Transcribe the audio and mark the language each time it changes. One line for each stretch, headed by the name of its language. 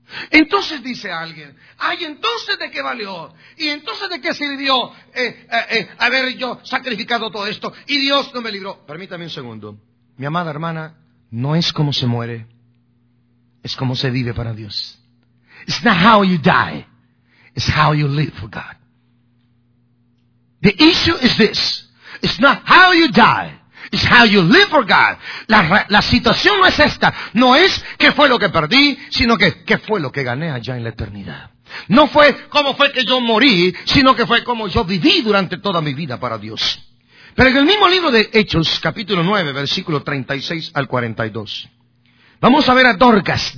Spanish: Entonces dice alguien, ay, entonces ¿de qué valió? ¿Y entonces de qué sirvió haber yo sacrificado todo esto y Dios no me libró? Permítame un segundo. Mi amada hermana, no es como se muere, es como se vive para Dios.
English: It's not how you die, it's how you live for God. The issue is this. It's not how you die, it's how you live for God.
Spanish: La situación no es esta. No es qué fue lo que perdí, sino que qué fue lo que gané allá en la eternidad. No fue cómo fue que yo morí, sino que fue cómo yo viví durante toda mi vida para Dios. Pero en el mismo libro de Hechos, capítulo 9, versículo 36 al 42, vamos a ver a Dorcas.